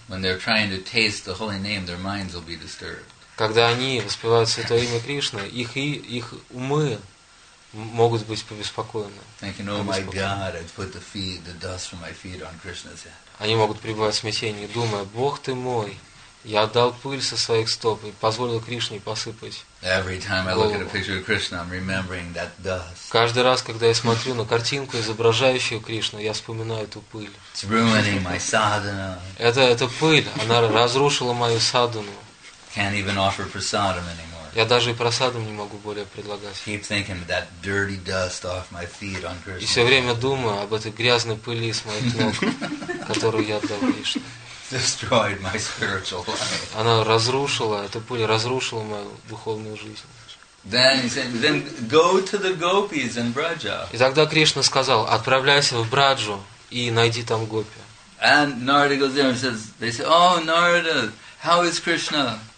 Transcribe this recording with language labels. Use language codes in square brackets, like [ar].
[en] When they're trying to taste the holy name, their minds will be disturbed. [ru] Когда они воспевают Святое Имя Кришны, их умы могут быть побеспокоены. [en] Thinking, oh my God, I put the feet, the dust from my feet on Krishna's head. [ru] Они могут пребывать в смятении, думая, Бог ты мой, я отдал пыль со своих стоп и позволил Кришне посыпать. [en] Every time I look at a picture of Krishna, I'm remembering that dust. [ru] Каждый раз, когда я смотрю на картинку, изображающую Кришну, я вспоминаю эту пыль. [en] It's ruining my sadhana. [ru] Это пыль, она разрушила мою садхану. [en] Can't even offer prasadam anymore. [ru] Я даже и просаду не могу более предлагать. [en] Keep thinking that dirty dust off my feet on Krishna. [ru] И все время думаю об этой грязной пыли с моих ног, которую я отдал Кришне. [en] Destroyed my spiritual life. [ru] Она разрушила, эта пыль разрушила мою духовную жизнь. [en] Then go to the gopis in Braja. [ru] И тогда Кришна сказал, отправляйся в Браджу и найди там гопи. [en] And Narada goes there and says, they say, oh, Narada, how is Krishna?